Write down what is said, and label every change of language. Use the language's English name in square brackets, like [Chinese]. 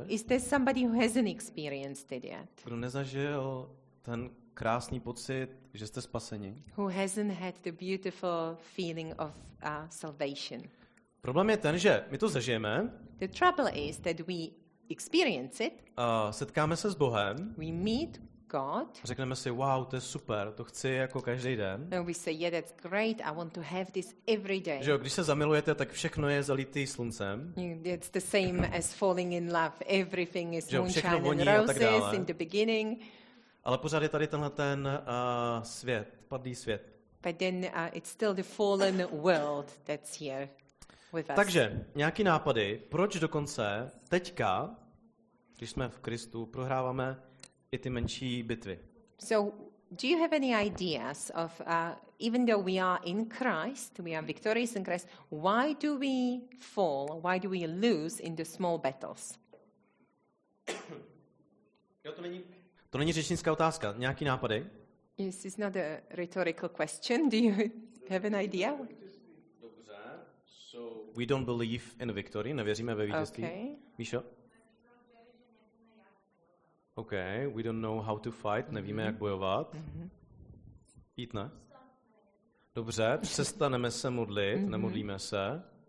[English] Is there somebody who hasn't experienced it yet? [Czech] Kdo nezažil ten krásný pocit, že jste spaseni? [English] Who hasn't had the beautiful feeling of salvation? [Czech] Problém je ten, že my to zažijeme. [English] The trouble is that we experience it. [Czech] Setkáme se s Bohem. [English] We meet God. [Czech] Řekneme si, wow, to je super, to chci jako každý den. [English] And we say, yeah, that's great, I want to have this every day. [Czech] Že jo, když se zamilujete, tak všechno je zalitý sluncem. [English] It's the same as falling in love. Everything is moonshine [Czech] jo, [English] and roses in the beginning. [Czech] Ale pořád je tady tenhle ten svět, padlý svět. [English] But then it's still the fallen world that's here with us. [Czech] Takže, nějaký nápady, proč dokonce teďka, když jsme v Kristu, prohráváme i ty menší bitvy. [English] So, do you have any ideas of even though we are in Christ, we are victorious in Christ, why do we fall? Why do we lose in the small battles? [Czech] Jo, to není řečnická otázka, nějaký nápady? [English] This is not a rhetorical question. Do you have an idea? [Czech] Dobře. [English] So, we don't believe in victory, [Czech] nevěříme ve vítězství. [English] Okay. [Czech] Míšo? [English] Okay, we don't know how to fight, [Czech] nevíme, jak bojovat. Jít ne? Dobře, přestaneme se modlit, nemodlíme se.